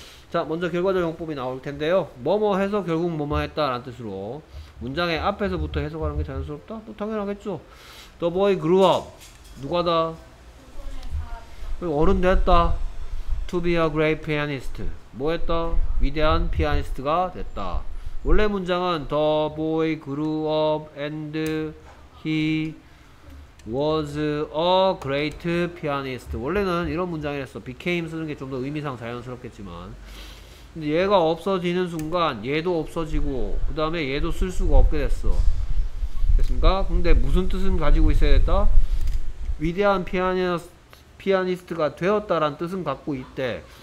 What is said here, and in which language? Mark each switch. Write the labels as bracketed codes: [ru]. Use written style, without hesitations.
[ko] 자, 먼저 결과적 용법이 나올 텐데요. 뭐뭐 해서 결국 뭐뭐 했다라는 뜻으로 문장의 앞에서부터 해석하는 게 자연스럽다? 뭐 당연하겠죠. [en] The boy grew up. [ko] 누가 다? 어른 됐다. [en] To be a great pianist. [ko] 뭐 했다? 위대한 피아니스트가 됐다. 원래 문장은 [en] The boy grew up and he was a great pianist. [ko] 원래는 이런 문장이었어. Became 쓰는 게 좀 더 의미상 자연스럽겠지만. 근데 얘가 없어지는 순간 얘도 없어지고 그 다음에 얘도 쓸 수가 없게 됐어. 됐습니까? 근데 무슨 뜻은 가지고 있어야 됐다? 위대한 피아니스트가 되었다란 뜻은 갖고 있대.